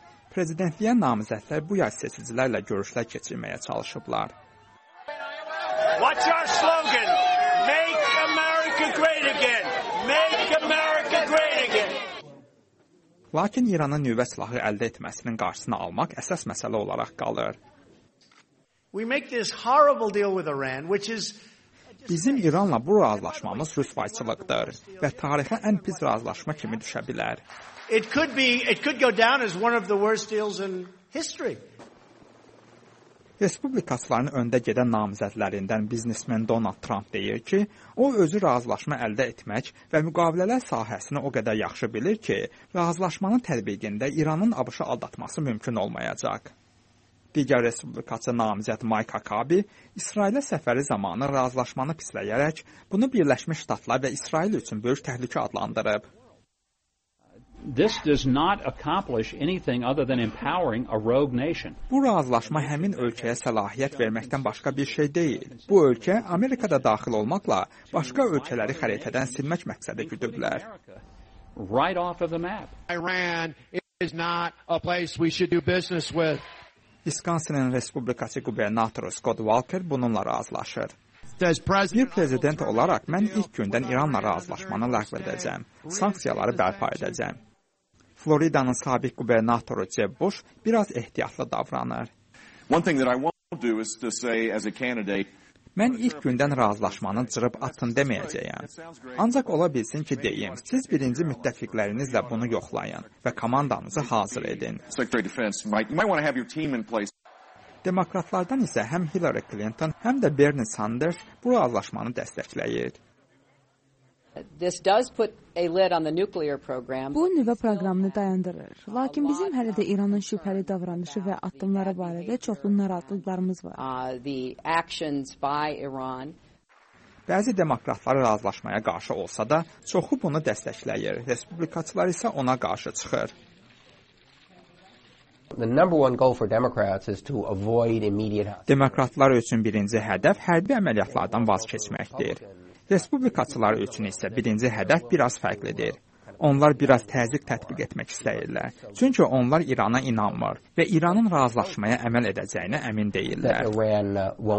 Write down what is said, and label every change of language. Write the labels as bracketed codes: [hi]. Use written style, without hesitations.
[az] Prezidentliyə namizədlər bu yaş seçicilərlə görüşlər keçirməyə çalışıblar. [en] What's your slogan? Make America great again. Make America great again. [az] Lakin İranın nüvə silahı əldə etməsinin qarşısını almaq əsas məsələ olaraq qalır. [en] We make this horrible deal with Iran, which is [az] Bizim İranla bu razılaşmamız rüsvayçılıqdır və tarixə ən pis razılaşma kimi düşə bilər. [en] It could go down as one of the worst deals in history. [az] Respublikaçıların öndə gedən namizədlərindən biznesmen Donald Trump deyir ki, o özü razılaşma əldə etmək və müqavilələr sahəsini o qədər yaxşı bilir ki, razılaşmanın tətbiqində İranın ABŞ-ı aldatması mümkün olmayacaq. Digər respublikaçı namizəd Mike Huckabee İsrailə səfəri zamanı razılaşmanı pisləyərək bunu Birləşmiş Ştatlar və İsrail üçün böyük təhlükə adlandırıb. [en] This does not accomplish anything other than empowering a rogue nation. [az] Bu razılaşma həmin ölkəyə səlahiyyət verməkdən başqa bir şey deyil. Bu ölkə Amerikada daxil olmaqla başqa ölkələri xəritədən silmək məqsədi güdüblər. [en] Right off of the map. Iran is not a place we should do business with. [az] Wisconsin-ın respublikaçı qubernatoru Scott Walker bununla razılaşır. Bir prezident olaraq mən ilk gündən İranla razılaşmanı ləğv edəcəm, sanksiyaları bərpa edəcəm. Floridanın sabiq qubernatoru Jeb Bush biraz ehtiyatlı davranır. [en] One thing that I won't do is to say as a candidate [az] Mən ilk gündən razılaşmanın cırıb atın deməyəcəyəm. Ancaq ola bilsin ki, deyim, siz birinci müttəfiqlərinizlə bunu yoxlayın və komandanızı hazır edin. Demokratlardan isə həm Hillary Clinton, həm də Bernie Sanders bu razılaşmanı dəstəkləyir. [en] This does put a lid on the nuclear program. [az] Bu nüvə proqramını dayandırır. Lakin bizim hələ də İranın şübhəli davranışı və addımları barədə çoxlu narahatlıqlarımız var. [en] The actions by Iran. [az] Bəzi demokratlar razılaşmaya qarşı olsa da, çoxu bunu dəstəkləyir. Respublikaçılar isə ona qarşı çıxır. [en] The number one goal for Democrats is to avoid immediate. [az] Demokratlar üçün birinci hədəf hərbi əməliyyatlardan vaz keçməkdir. Respublikaçılar üçün isə birinci hədəf biraz fərqlidir. Onlar biraz təzyiq tətbiq etmək istəyirlər. Çünki onlar İrana inanmır və İranın razılaşmaya əməl edəcəyinə əmin deyirlər.